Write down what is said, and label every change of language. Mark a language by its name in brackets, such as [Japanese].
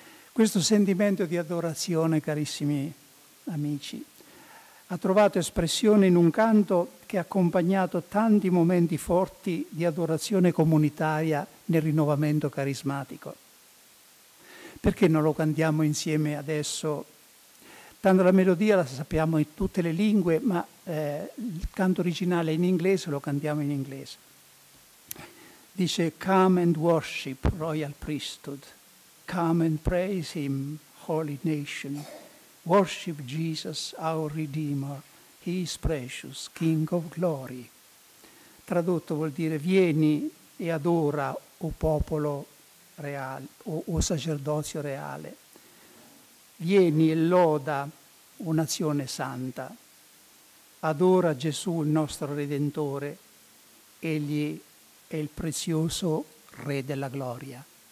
[Italian] Questo sentimento di adorazione, carissimi amici, ha trovato espressione in un canto che ha accompagnato tanti momenti forti di adorazione comunitaria nel rinnovamento carismatico. Perché non lo cantiamo insieme adesso? Tanto la melodia la sappiamo in tutte le lingue, ma il canto originale è in inglese, lo cantiamo in inglese. [English] Dice: Come and worship royal priesthood, come and praise him, holy nation. Worship Jesus, our Redeemer, He is precious, King of glory. [Italian] Tradotto vuol dire: vieni e adora, o popolo reale, o sacerdozio reale. Vieni e loda, o nazione santa. Adora Gesù, il nostro Redentore. Egli è il prezioso Re della gloria.